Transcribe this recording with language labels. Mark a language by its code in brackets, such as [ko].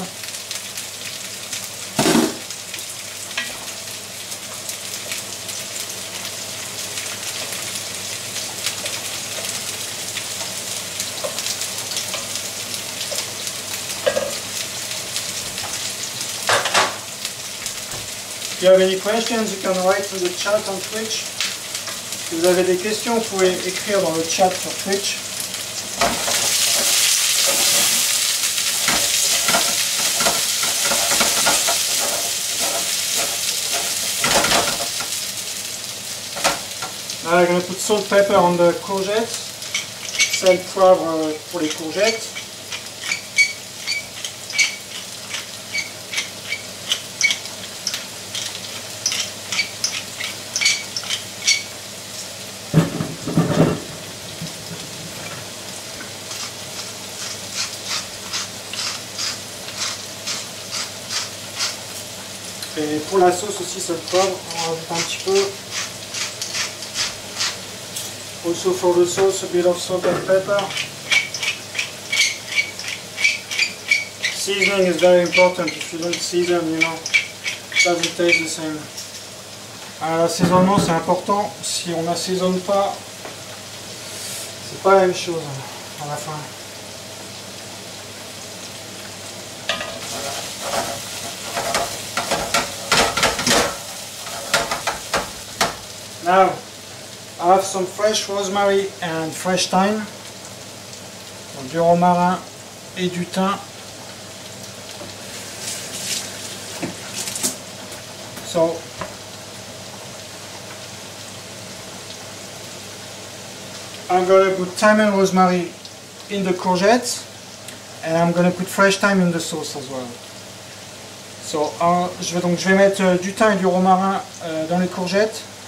[en] If you have any questions, you can write in the chat on Twitch. [fr] Si vous avez des questions, vous pouvez écrire dans le chat sur Twitch. [en] Now we're going to put salt, pepper on the courgettes. [fr] Sel, poivre pour les courgettes. Et pour la sauce aussi, sur le poivre, on rajoute un petit peu. [en] Also for the sauce, a bit of salt and pepper. Seasoning is very important. If you don't season, you know, it doesn't taste the same. [fr] L'assaisonnement, c'est important. Si on n'assaisonne pas, c'est pas la même chose à la fin. [en] Now, I have some fresh rosemary and fresh thyme, [fr] du romarin et du thym. [en] So, I'm going to put thyme and rosemary in the courgettes, and I'm going to put fresh thyme in the sauce as well. [fr] So, je vais mettre du thym et du romarin dans les courgettes.